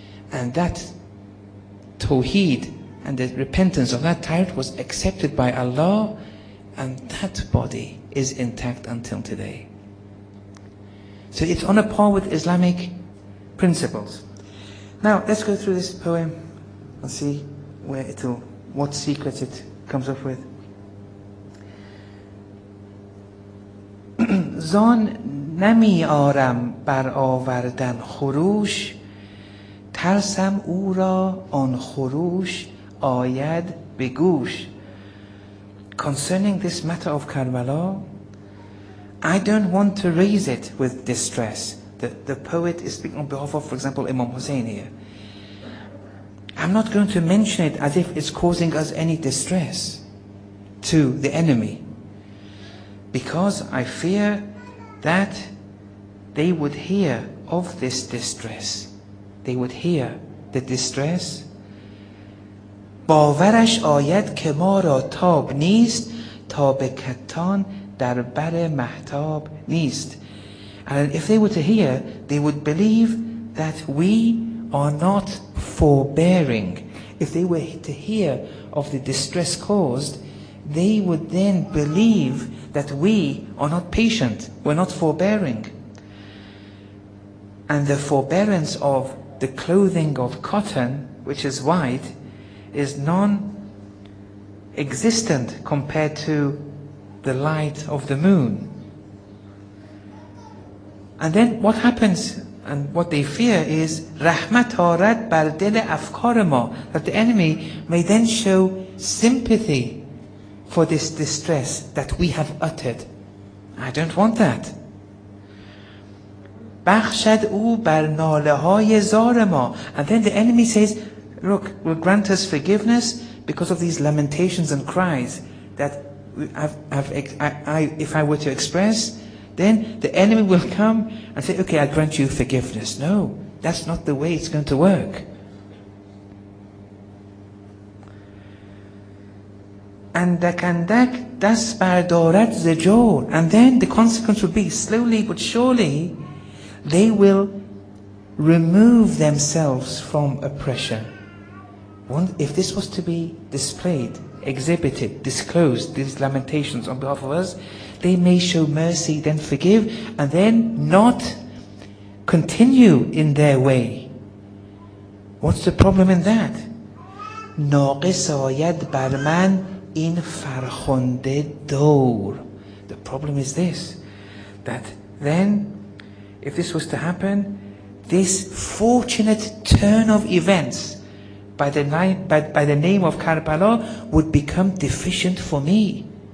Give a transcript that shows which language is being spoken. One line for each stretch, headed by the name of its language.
English: And that tawheed and the repentance of that tyrant was accepted by Allah, and that body is intact until today. So it's on a par with Islamic principles. Now, let's go through this poem and see where it'll, what secrets it comes up with.
Persian: زان نمی آرم بر آوردن خروش ترسم او را آن خروش آید به گوش.
English: Concerning this matter of Karbala, I don't want to raise it with distress. The poet is speaking on behalf of, for example, Imam Hussein here. I'm not going to mention it as if it's causing us any distress to the enemy, because I fear that they would hear of this distress. They would hear the distress.
Persian: باورش آید که ما را تاب نیست تا به کتان در بر مهتاب نیست.
English: And if they were to hear, they would believe that we are not forbearing. If they were to hear of the distress caused, they would then believe that we are not patient, we're not forbearing. And the forbearance of the clothing of cotton, which is white, is non-existent compared to the light of the moon. And then what happens and what they fear is
Persian: رحمت آرد بر دل افکار ما,
English: that the enemy may then show sympathy for this distress that we have uttered. I don't want that.
Persian: بخشد او بر ناله های زار ما.
English: And then the enemy says, look, will grant us forgiveness because of these lamentations and cries that if I were to express, then the enemy will come and say, okay, I grant you forgiveness. No, that's not the way it's going to work.
Persian: اندک اندک دست بردارد ز جور.
English: And then the consequence would be, slowly but surely, they will remove themselves from oppression. One, if this was to be displayed, exhibited, disclosed, these lamentations on behalf of us, they may show mercy, then forgive, and then not continue in their way. What's the problem in that?
Persian: ناقص آید بر من این فرخنده دور.
English: The problem is this, that then, if this was to happen, this fortunate turn of events by the name of Karbala would become deficient for me.